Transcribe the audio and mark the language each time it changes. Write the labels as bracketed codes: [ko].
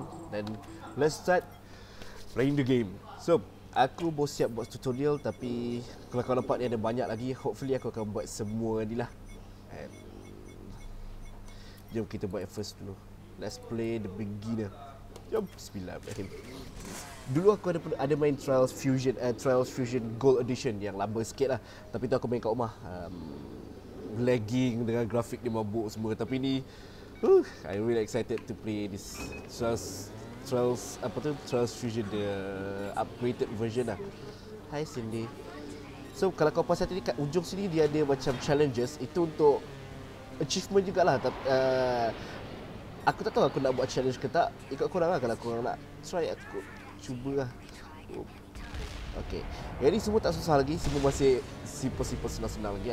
[en] Then let's start playing the game. So, [ms] aku baru siap buat tutorial, tapi kalau nampak ni ada banyak lagi. [en] Hopefully [ms] aku akan buat semua ni lah. [en] And [ms] jom kita buat [en] first [ms] dulu. [en] Let's play the beginner. [ms] Jom, bismillahirrahmanirrahim. Dulu aku ada main Trials Fusion Gold Edition yang lama sikit lah. Tapi tu aku main kat rumah. Lagging dengan grafik dia mabuk semua. Tapi ni, [en] I'm really excited to play this Trials Fusion, the upgraded version [ms] lah. [en] Hi [ms] Cindy. [en] So [ms] kalau kau pasal tadi, kat ujung sini dia ada macam challenges. Itu untuk achievement jugalah. Tapi aku tak tahu aku nak buat challenge ke tak. Ikut korang lah kalau korang nak try, aku cuba lah. Okay, jadi semua tak susah lagi. Semua masih simple-simple, senang-senang lagi.